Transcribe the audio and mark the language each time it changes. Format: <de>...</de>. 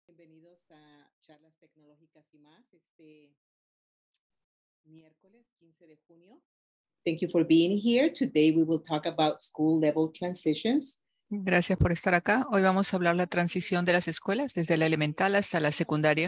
<es>bienvenidos a Charlas Tecnológicas y Más este miércoles 15 de junio.</es> <en>Thank you for being here. Today we will talk about school level transitions.</en> <es>Gracias por estar acá. Hoy vamos a hablar de la transición de las escuelas desde la elemental hasta la secundaria.</es>